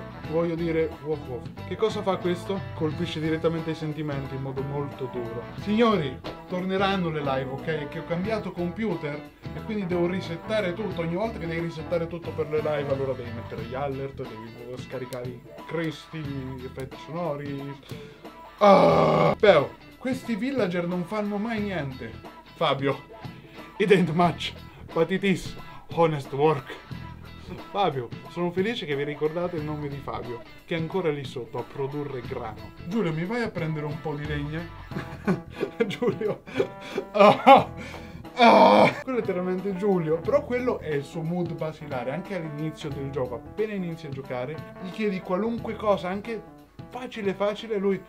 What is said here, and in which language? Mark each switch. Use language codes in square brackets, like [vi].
[it] voglio dire, che cosa fa questo? Colpisce direttamente i sentimenti in modo molto duro. Signori, torneranno le live, ok? Che ho cambiato computer e quindi devo risettare tutto. Ogni volta che devi risettare tutto per le live, allora devi mettere gli alert, devi scaricare i cristi, gli effetti sonori. Però, questi villager non fanno mai niente. [en] Fabio, it ain't much, but it is honest work. [it] Fabio, sono felice che vi ricordate il nome di Fabio, che è ancora lì sotto a produrre grano. Giulio, mi vai a prendere un po' di legna? Giulio. Quello è letteralmente Giulio, però quello è il suo mood basilare, anche all'inizio del gioco, appena inizia a giocare, gli chiedi qualunque cosa, anche facile facile, lui...